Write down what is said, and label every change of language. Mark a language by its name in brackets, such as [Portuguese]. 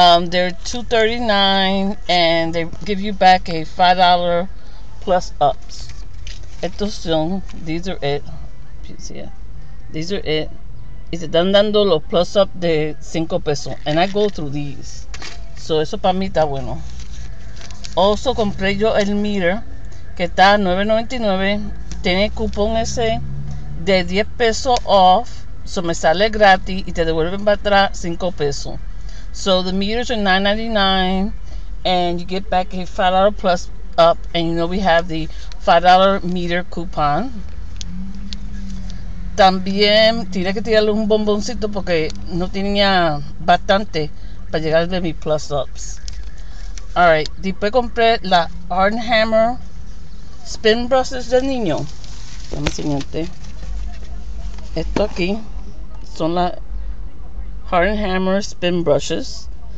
[English] They're $2.39 and they give you back a $5 plus ups. These are it. [Spanish] Y se están dando los plus up de $5. [English] And I go through these. So [Spanish] eso para mí está bueno. [English] Also [Spanish] compré yo el meter que está $9.99. Tiene cupón ese de $10 off. So me sale gratis y te devuelven para atrás $5. [English] So the meters are $9.99 and you get back a $5 plus up, and you know we have the $5 meter coupon. [Spanish] También tiene que tirarle un bomboncito porque no tenía bastante para llegar de mis plus ups. Alright, después compré la Arm & Hammer spin brushes del niño. Déjame enseñarte esto aquí. Son las Hard and Hammer Spin Brushes.